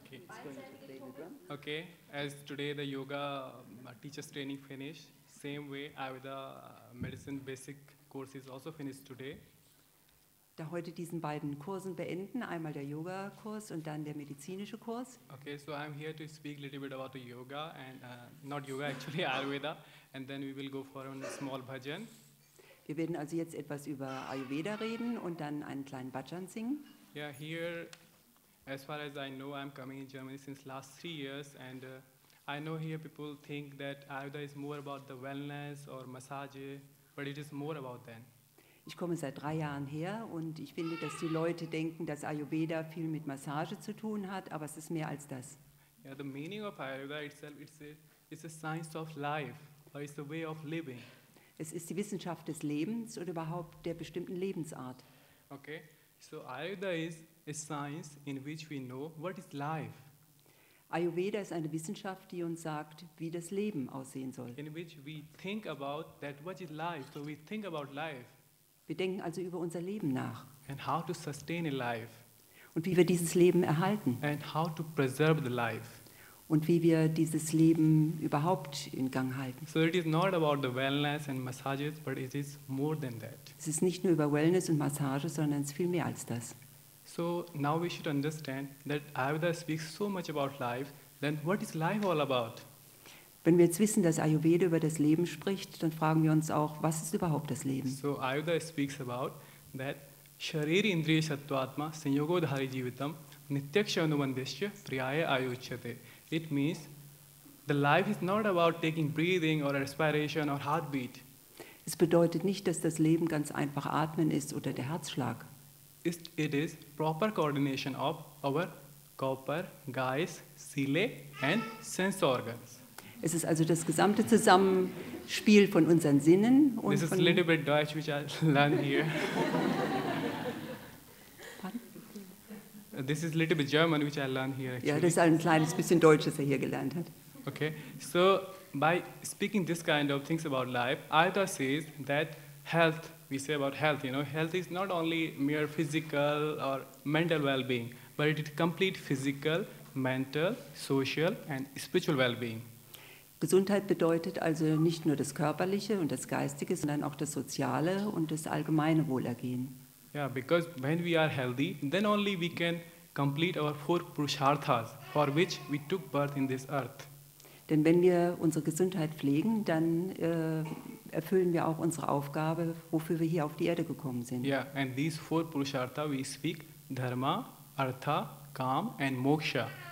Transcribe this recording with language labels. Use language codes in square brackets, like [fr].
[en] Aha. Okay. As today the yoga teacher's training finished, same way Ayurveda medicine basic course is also finished today. [de] da heute diesen beiden Kursen beenden, einmal der Yoga-Kurs und dann der medizinische Kurs. [en] Okay, so I'm here to speak a little bit about the yoga and not yoga, actually Ayurveda, and then we will go for a small bhajan. [de] Wir werden also jetzt etwas über Ayurveda reden und dann einen kleinen Bhajan singen. [en] Yeah, here, as far as I know, I'm coming in Germany since last 3 years, and I know here people think that Ayurveda is more about the wellness or massage, but it is more about that. [de] Ich komme seit 3 Jahren her und ich finde, dass die Leute denken, dass Ayurveda viel mit Massage zu tun hat, aber es ist mehr als das. [en] Yeah, the meaning of Ayurveda itself is a science of life, or it's a way of living. [de] Es ist die Wissenschaft des Lebens oder überhaupt der bestimmten Lebensart. [en] Okay, so Ayurveda is a science in which we know what is life. [de] Ayurveda ist eine Wissenschaft, die uns sagt, wie das Leben aussehen soll. [en] In which we think about that what is life, so we think about life. [de] Wir denken also über unser Leben nach. [en] And how to sustain a life. [de] Und wie wir dieses Leben erhalten. [en] And how to preserve the life. [de] Und wie wir dieses Leben überhaupt in Gang halten. [en] So it is not about the wellness and massages, but it is more than that. [de] Es ist nicht nur über Wellness und Massage, sondern es ist viel mehr als das. [en] So now we should understand that Ayurveda speaks so much about life, then what is life all about? [de] Wenn wir jetzt wissen, dass Ayurveda über das Leben spricht, dann fragen wir uns auch, was ist überhaupt das Leben? [sa] So Ayurveda speaks about that sharira indriya sattvatma sanyogo dhari jivitam nityaksha anubandhasya priyaya ayuchyate. [en] It means the life is not about taking breathing or respiration or heartbeat. [de] Es bedeutet nicht, dass das Leben ganz einfach atmen ist oder der Herzschlag. [en] It is proper coordination of our copper, guys, sile and sense organs. [de] Es ist also das gesamte Zusammenspiel von unseren Sinnen. Und [en] this is a little bit Deutsch, which I learned here. This is a little bit German, which I learned here. Actually. [de] Ja, das ist ein kleines bisschen Deutsch, das er hier gelernt hat. [en] Okay, so by speaking this kind of things about life, Ayurveda says that health, we say about health, you know, health is not only mere physical or mental well-being, but it is complete physical, mental, social and spiritual well-being. [de] Gesundheit bedeutet also nicht nur das Körperliche und das Geistige, sondern auch das Soziale und das allgemeine Wohlergehen. [en] Yeah, because when we are healthy, then only we can complete our 4 purusharthas for which we took birth in this earth. [de] Denn wenn wir unsere Gesundheit pflegen, dann erfüllen wir auch unsere Aufgabe, wofür wir hier auf die Erde gekommen sind. [en] Yeah, and these 4 purusharthas we speak dharma, artha, kam and moksha.